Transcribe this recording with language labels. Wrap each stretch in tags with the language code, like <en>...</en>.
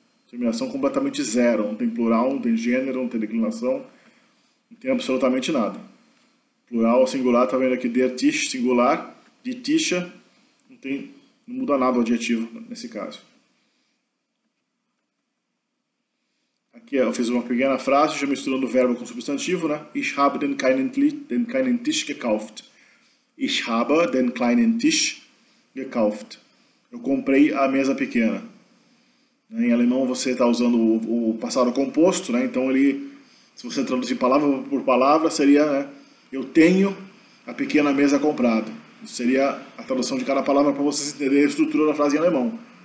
<pt>Terminação completamente zero. Não tem plural, não tem gênero, não tem declinação, não tem absolutamente nada. Plural ou singular, está vendo aqui, der Tisch, singular, die Tische, não tem. Não muda nada o adjetivo nesse caso. Aqui eu fiz uma pequena frase, já misturando o verbo com o substantivo, né?</pt> <de>Ich habe den kleinen Tisch gekauft. Ich habe den kleinen Tisch gekauft.</de> <pt>Eu comprei a mesa pequena. Em alemão você está usando o passado composto, né? Então ele, se você traduzir palavra por palavra, seria, né? Eu tenho a pequena mesa comprada. Isso seria a tradução de cada palavra para vocês entenderem a estrutura da frase em alemão.</pt>